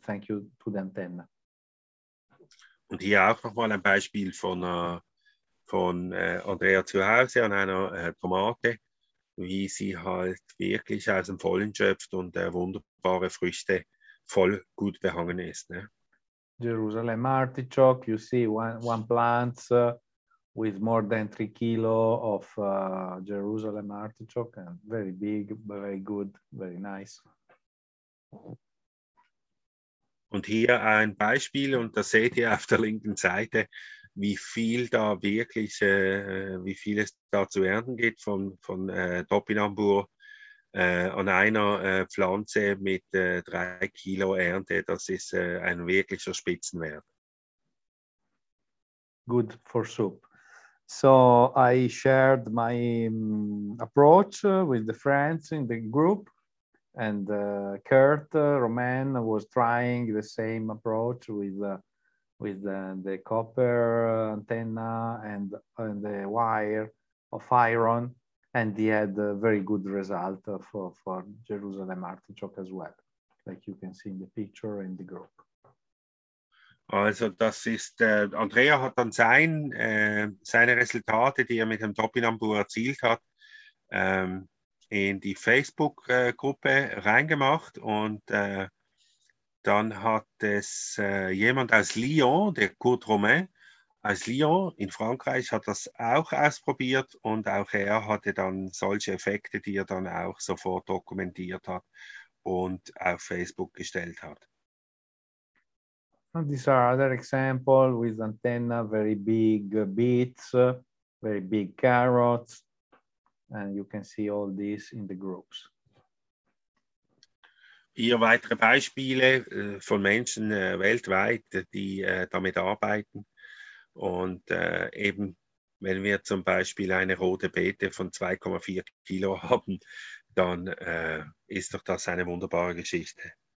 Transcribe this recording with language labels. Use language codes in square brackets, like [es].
[en] Thank you to the antenna. [de] Und hier auch nochmal ein Beispiel von Andrea zu Hause an einer Tomate, wie sie halt wirklich aus dem Vollen schöpft und wunderbare Früchte voll gut behangen ist. Ne? [en] Jerusalem Artichoke, you see one plant with more than 3 kilo of Jerusalem Artichoke, and very big, very good, very nice. [de] Und hier ein Beispiel, und das seht ihr auf der linken Seite, wie viel es da zu ernten gibt von Topinambur an einer Pflanze mit 3 Kilo Ernte. Das ist ein wirklicher Spitzenwert. [en] Good for soup. So I shared my approach with the friends in the group. And Kurt Roman was trying the same approach with the copper antenna and the wire of iron, and he had a very good result for Jerusalem artichoke as well, like you can see in the picture in the group. [de] Also das ist Andrea hat dann seine Resultate, die er mit dem Topinambur erzielt hat, in die Facebook-Gruppe reingemacht und dann hat es jemand aus Lyon, der Kurt Romain aus Lyon in Frankreich, hat das auch ausprobiert und auch er hatte dann solche Effekte, die er dann auch sofort dokumentiert hat und auf Facebook gestellt hat. [en] And these are other examples with antenna, very big beets, very big carrots. And you can see all these in the groups. [de] Hier weitere Beispiele von Menschen weltweit, die damit arbeiten. Und eben, wenn wir zum Beispiel eine rote Beete von 2,4 Kilo haben, dann ist doch das eine wunderbare Geschichte.